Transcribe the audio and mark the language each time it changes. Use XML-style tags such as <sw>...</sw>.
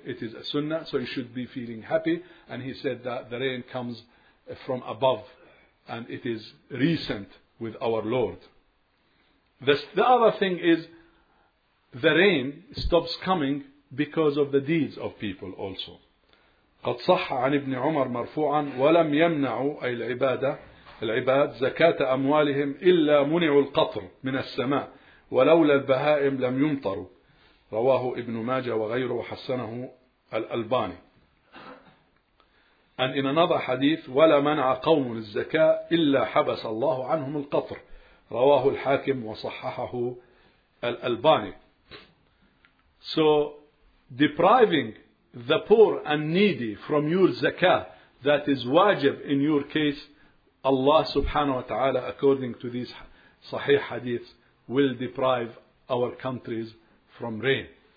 <en>It is a sunnah, so you should be feeling happy. And he said that the rain comes from above and it is recent with our Lord. The other thing is, the rain stops coming because of the deeds of people also.</en> <ar>قد صح عن ابن عمر مرفوعا ولم يمنعوا أي العبادة العباد زكاة أموالهم إلا منعوا القطر من السماء ولولا البهائم لم يمطروا, رواه ابن ماجة وغيره وحسنه الألباني.</ar> <en>And in another hadith,</en> <ar>ولا منع قوم الزكاة إلا حبس الله عنهم القطر, رواه الحاكم وصححه الألباني.</ar> <en>So depriving the poor and needy from your zakah, that is wajib in your case, Allah subhanahu wa ta'ala, according to these sahih hadiths, will deprive our countries from rain.</en>